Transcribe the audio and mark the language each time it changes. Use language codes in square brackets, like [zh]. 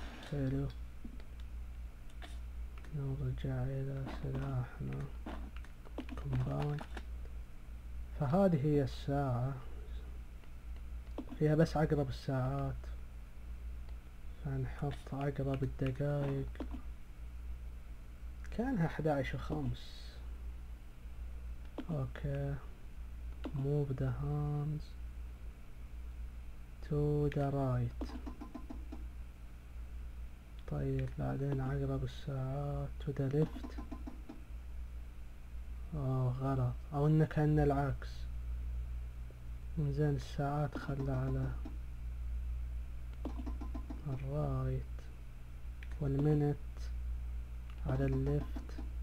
[ar] حلو نرجع الى سلاحنا كومباوند. فهذه هي الساعة، فيها بس عقرب الساعات، فنحط عقرب الدقايق كانها 11:05. [en] اوكي move the hands to the right. [ar] طيب بعدين عقرب الساعات [en] to the left. [ar] اوه غلط، او انه كان العكس. انزين الساعات خلى على الرايت والمينت على الليفت.